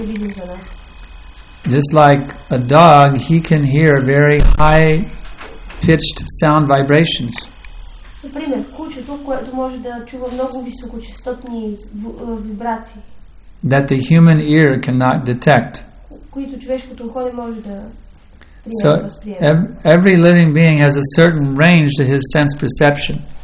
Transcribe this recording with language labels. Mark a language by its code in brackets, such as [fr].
[en] Just like a dog, he can hear very high pitched sound vibrations. [bg] Например, кучето, което може да чува много високочастотни вибрации. [en] That the human ear cannot detect. [bg] Които човешкото ухо не може да приеме. [en] So every living being has a certain range to his sense perception.